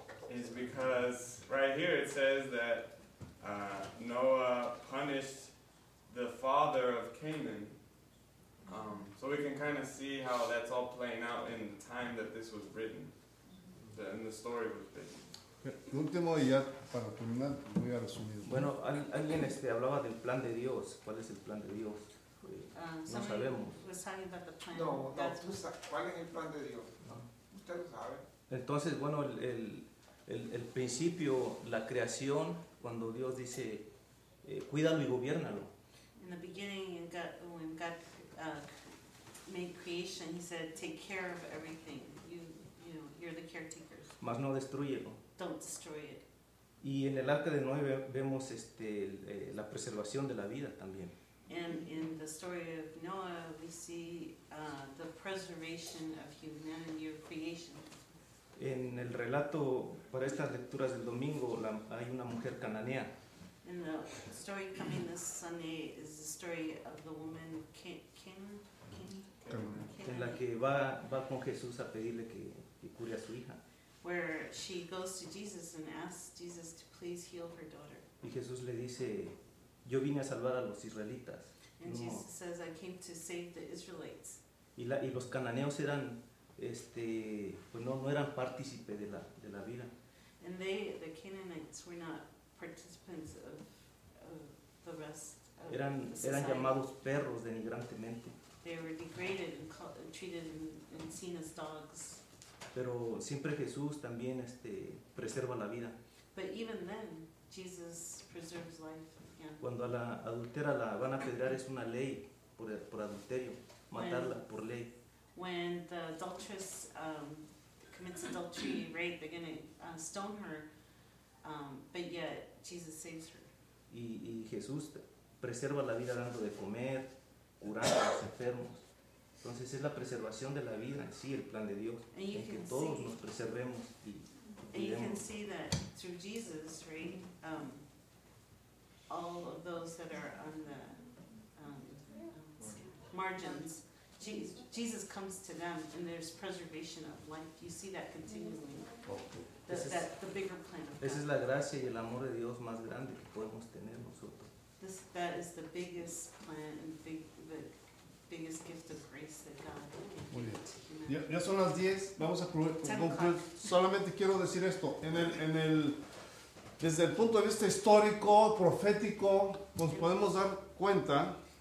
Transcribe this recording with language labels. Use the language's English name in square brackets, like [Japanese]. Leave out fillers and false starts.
[English] Is because right here it says that Noah punished the father of Canaan. So we can kind of see how that's all playing out in the time that this was written, and the story was written. [Spanish] Último y ya para terminar voy a resumir. Bueno, alguien hablaba del plan de Dios. ¿Cuál es el plan de Dios? No sabemos. ¿Cuál es el plan de Dios? Usted lo sabe. Entonces, bueno, el principio, la creación, cuando Dios dice, cuídalo y gobiérnalo. [English] In the beginning, when God made creation, He said, take care of everything. You're the caretakers. [Spanish] Mas no destruyelo. [English] Don't destroy it. [Spanish] Y en el arca de Noé vemos la preservación de la vida también. [English] And in the story of Noah, we see the preservation of humanity or creation. [Spanish] En el relato para estas lecturas del domingo hay una mujer cananea. [English] In the story coming this Sunday is the story of the woman Canaan. [Spanish] En la que va con Jesús a pedirle que cure a su hija. [English] Where she goes to Jesus and asks Jesus to please heal her daughter. [Spanish] Y Jesús le dice, yo vine a salvar a los israelitas. [English] And no. Jesus says, I came to save the Israelites. [Spanish] Y los cananeos eran, pues no eran partícipe de la vida. [English] And they, the Canaanites, were not participants of the rest of [Spanish] eran, [English] the society. [Spanish] Eran llamados perros denigrantemente. [English] They were degraded and treated and seen as dogs. [Spanish] Pero siempre Jesús también preserva la vida. [English] But even then, Jesus preserves life. Yeah. [Spanish] Cuando a la adultera la van a apedrear es una ley por adulterio, matarla por ley. [English] When the adulteress commits adultery, right, they're going to stone her, but yet Jesus saves her. [Spanish] Y Jesús preserva la vida dando de comer, curando a los enfermos. Entonces es la preservación de la vida, sí, el plan de Dios, en que todos [English] see, [Spanish] nos preservemos y cuidemos. [English] And you can see that through Jesus, right, all of those that are on the margins, Jesus comes to them and there's preservation of life. You see that continually, okay. The bigger plan of God. [Spanish] Esa es la gracia y el amor de Dios más grande que podemos tener nosotros. [English] That is the biggest plan and biggest gift of grace that God gave to humanity. [Spanish] Ya son las 10, vamos a concluir. Solamente quiero decir esto, en el desde el punto de vista histórico, profético, nos podemos dar cuenta.